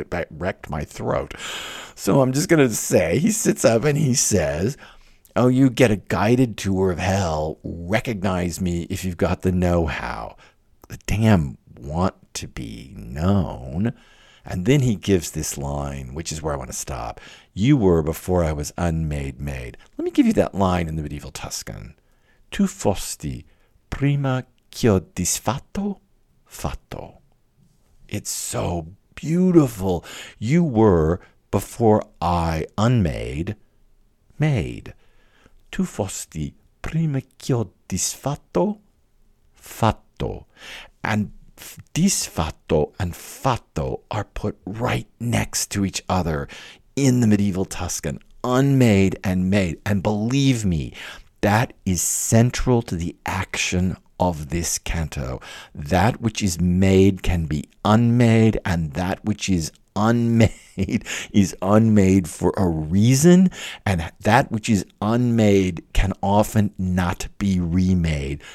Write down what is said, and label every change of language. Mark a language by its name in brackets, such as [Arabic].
[English] It wrecked my throat. So I'm just going to say, he sits up and he says, oh, you get a guided tour of hell. Recognize me if you've got the know-how. The damn want to be known. And then he gives this line, which is where I want to stop. You were before I was unmade made. Let me give you that line in the medieval Tuscan. [Italian] Tu fosti prima che ho disfatto fatto. [English] It's so beautiful. You were before I unmade made. [Italian] Tu fosti prima che ho disfatto fatto. [English] And disfatto and fatto are put right next to each other in the medieval Tuscan, unmade and made. And believe me, that is central to the action of this canto. That which is made can be unmade, and that which is unmade is unmade for a reason, and that which is unmade can often not be remade.